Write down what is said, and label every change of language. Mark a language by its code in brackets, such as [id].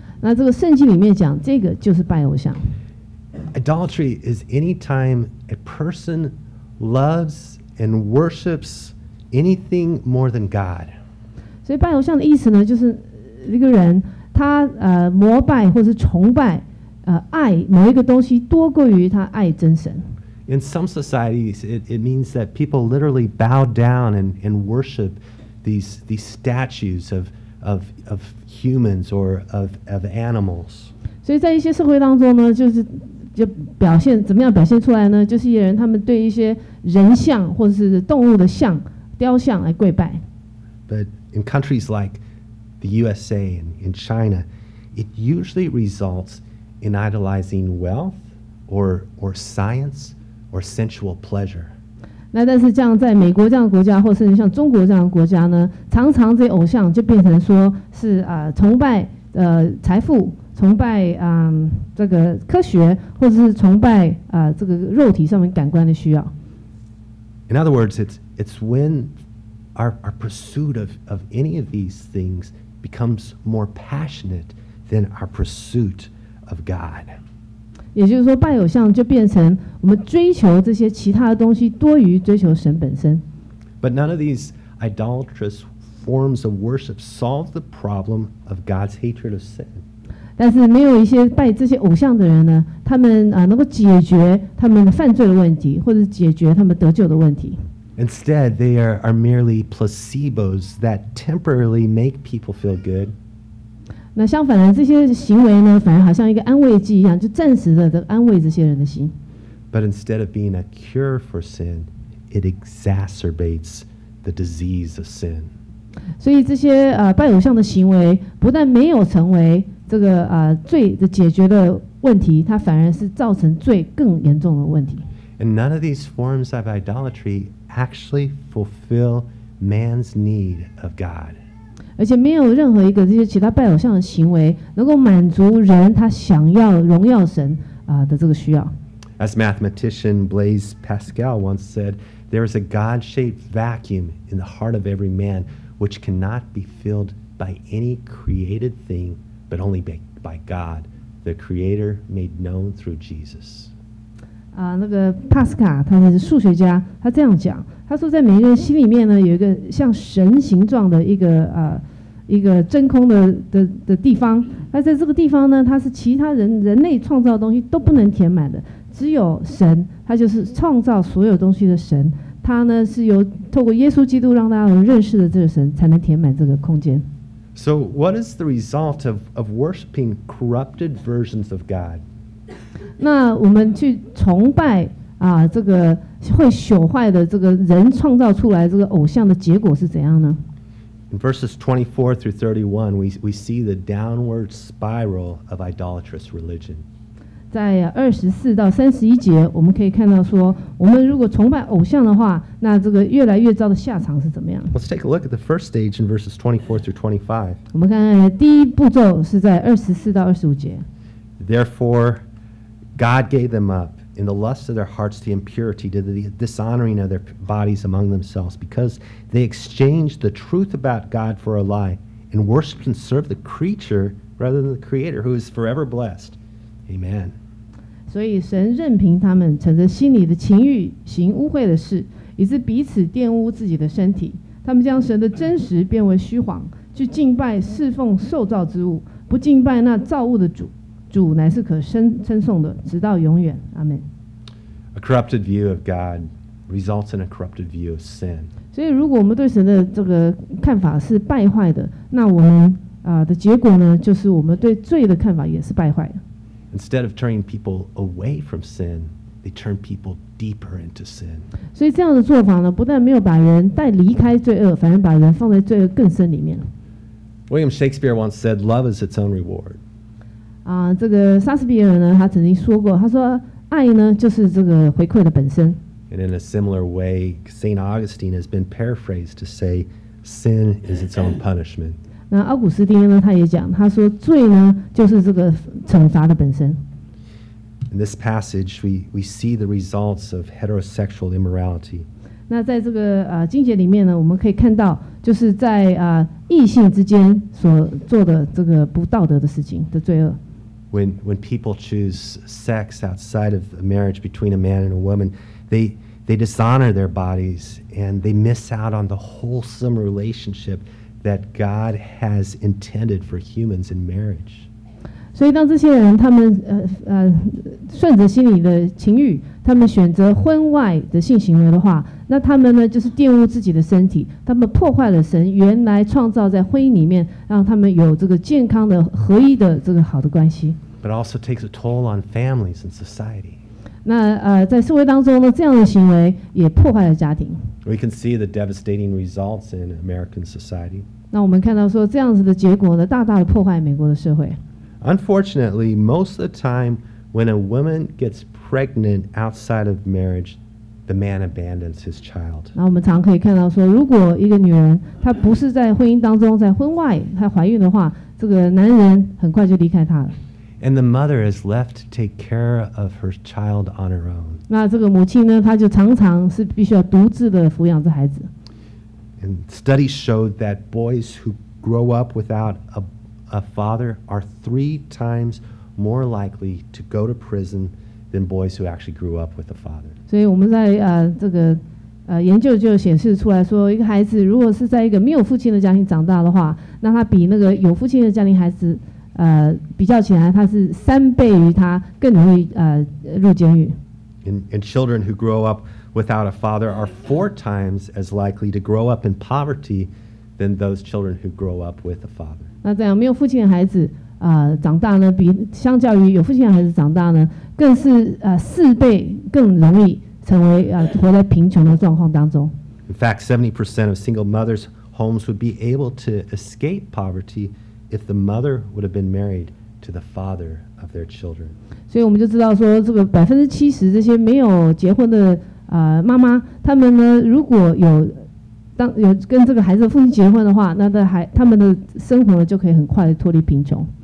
[zh] 那这个圣经里面讲，这个就是拜偶像。 [en] Idolatry is any time a person loves and worships anything more than God. [zh] 所以拜偶像的意思呢，就是一个人他膜拜或是崇拜爱某一个东西多过于他爱真神。 [en] In some societies, it means that people literally bow down and worship these statues of humans or of animals. [zh] 所以在一些社会当中呢，就表现怎么样表现出来呢？就是一些人他们对一些人像或者是动物的像、雕像来跪拜。 [en] But in countries like the USA and in China, it usually results in idolizing wealth or science. Or sensual pleasure. [zh] 那但是像在美国这样的国家，或甚至像中国这样的国家呢，常常这些偶像就变成说是崇拜财富，崇拜这个科学，或者是崇拜这个肉体上面感官的需要。 [en] In other words, it's when our pursuit of any of these things becomes more passionate than our pursuit of God. [zh] 也就是说，拜偶像就变成我们追求这些其他的东西多于追求神本身。 [en] But none of these idolatrous forms of worship solve the problem of God's hatred of sin. [zh] 但是没有一些拜这些偶像的人呢，他们能够解决他们犯罪的问题，或者解决他们得救的问题。 [en] Instead, they are merely placebos that temporarily make people feel good. [zh] 那相反的，这些行为呢，反而好像一个安慰剂一样，就暂时的安慰这些人的心。 [en] But instead of being a cure for sin, it exacerbates the disease of sin. [zh] 所以这些拜偶像的行为，不但没有成为这个罪的解决的问题，它反而是造成罪更严重的问题。 [en] And none of these forms of idolatry. Actually fulfill man's need of God. [zh] 而且没有任何一个这些其他拜偶像的行为能够满足人他想要荣耀神的这个需要。 [en] As mathematician Blaise Pascal once said, there is a God-shaped vacuum in the heart of every man which cannot be filled by any created thing, but only by God, the Creator made known through Jesus. [zh] 那个帕斯卡他是数学家，他这样讲，他说在每个人心里面呢，有一个像神形状的一个真空的地方，那在这个地方呢，它是其他人类创造的东西都不能填满的，只有神，他就是创造所有东西的神，他呢是由透过耶稣基督让大家认识的这个神才能填满这个空间。 [en] So what is the result of worshiping corrupted versions of God? [zh] 那我们去崇拜这个会朽坏的这个人创造出来这个偶像的结果是怎样呢？ [en] In verses 24 through 31, we see the downward spiral of idolatrous religion. [zh] 在24到31节，我们可以看到说，我们如果崇拜偶像的话，那这个越来越糟的下场是怎么样？ [en] Let's take a look at the first stage in verses 24 through 25. [zh] 我们看看第一步骤是在24到25节。 [en] Therefore,God gave them up in the lust of their hearts to impurity, to the dishonoring of their bodies among themselves, because they exchanged the truth about God for a lie and worshiped and served the creature rather than the Creator, who is forever blessed. Amen. [zh] 所以神任凭他们乘着心里的情欲行污秽的事，以致彼此玷污自己的身体。他们将神的真实变为虚谎，去敬拜侍奉受造之物，不敬拜那造物的主。主乃是可称颂的，直到永远。阿门。 [en] A corrupted view of God results in a corrupted view of sin. [zh] 所以，如果我们对神的这个看法是败坏的，那我们的结果呢，就是我们对罪的看法也是败坏的。 [en] Instead of turning people away from sin, they turn people deeper into sin. [zh] 所以这样的做法呢，不但没有把人带离开罪恶，反而把人放在罪恶更深里面。 [en] William Shakespeare once said, "Love is its own reward." [zh] 这个莎士比亚呢，他曾经说过，他说爱呢就是这个回馈的本身。 [en] And in a similar way, Saint Augustine has been paraphrased to say, "Sin is its own punishment." [zh] 那奥古斯丁呢，他也讲，他说罪呢就是这个惩罚的本身。 [en] In this passage, we see the results of heterosexual immorality. [zh] 那在这个经节里面呢，我们可以看到，就是在异性之间所做的这个不道德的事情的罪恶。 [en] When people choose sex outside of a marriage between a man and a woman, they dishonor their bodies and they miss out on the wholesome relationship that God has intended for humans in marriage. [zh] 所以当这些人他们顺着心里的情欲，他们选择婚外的性行为的话，那他们呢就是玷污自己的身体，他们破坏了神原来创造在婚姻里面让他们有这个健康的合一的这个好的关系。 [en] But also takes a toll on families and society. [zh] 那在社会当中呢，这样的行为也破坏了家庭。 [en] We can see the devastating results in American society. [zh] 那我们看到说这样子的结果呢，大大的破坏美国的社会。 [en] Unfortunately, most of the time when a woman gets pregnant outside of marriage,The man abandons his child. [zh] 那我们常可以看到说，如果一个女人她不是在婚姻当中，在婚外她怀孕的话，这个男人很快就离开她了。 [en] And the mother is left to take care of her child on her own. [zh] 那这个母亲呢，她就常常是必须要独自的抚养这孩子。 [en] And studies showed that boys who grow up without a father are three times more likely to go to prison than boys who actually grew up with a father. [zh] 所以我们在这个研究就显示出来说，一个孩子如果是在一个没有父亲的家庭长大的话，那他比那个有父亲的家庭孩子比较起来，他是三倍于他更容易入监狱。 [en] And children who grow up without a father are four times as likely to grow up in poverty than those children who grow up with a father. [zh] 那这样没有父亲的孩子长大呢，比相较于有父亲的孩子长大呢，更是四倍更容易成为活在贫穷的状况当中。 [en] In fact, 70% of single mothers' homes would be able to escape poverty if the mother would have been married to the father of their children. [zh] 所以我们就知道说，这个70%这些没有结婚的妈妈，他们呢，如果有跟这个孩子的父亲结婚的话，那他们的生活就可以很快脱离贫穷。